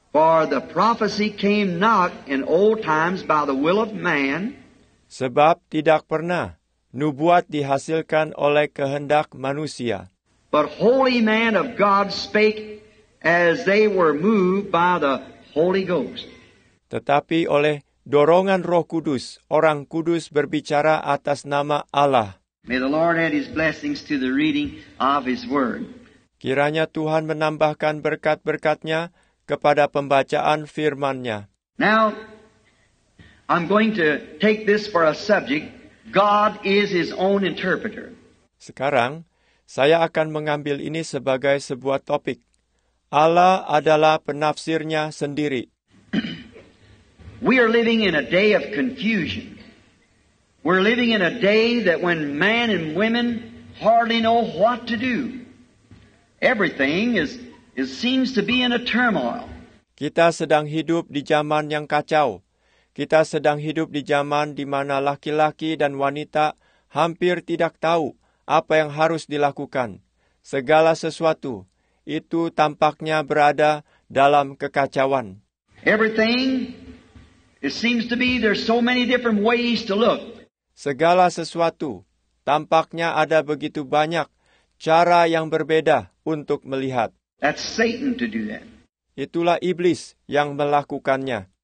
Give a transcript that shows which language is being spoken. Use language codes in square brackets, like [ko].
[en] For the prophecy came not in old times by the will of man. [id] Sebab tidak pernah nubuat dihasilkan oleh kehendak manusia. [en] But holy man of God spake as they were moved by the Holy Ghost. [id] Tetapi oleh dorongan Roh Kudus, orang kudus berbicara atas nama Allah. [en] May the Lord add His blessings to the reading of His word. [id] Kiranya Tuhan menambahkan berkat-berkat-Nya kepada pembacaan firman-Nya. [en] Now, I'm going to take this for a subject, God is his own interpreter. [id] Sekarang, saya akan mengambil ini sebagai sebuah topik. Allah adalah penafsirnya sendiri. [en] We are living in a day of confusion. We're living in a day that when men and women hardly know what to do. Everything is seems to be in a turmoil. [id] Kita sedang hidup di zaman yang kacau. Kita sedang hidup di zaman di mana laki-laki dan wanita hampir tidak tahu apa yang harus dilakukan. Segala sesuatu itu tampaknya berada dalam kekacauan. [en] Everything, it seems to be there's so many different ways to look. [id] Segala sesuatu tampaknya ada begitu banyak cara yang berbeda untuk melihat. [en] That's Satan to do that. [id] Itulah iblis yang melakukannya.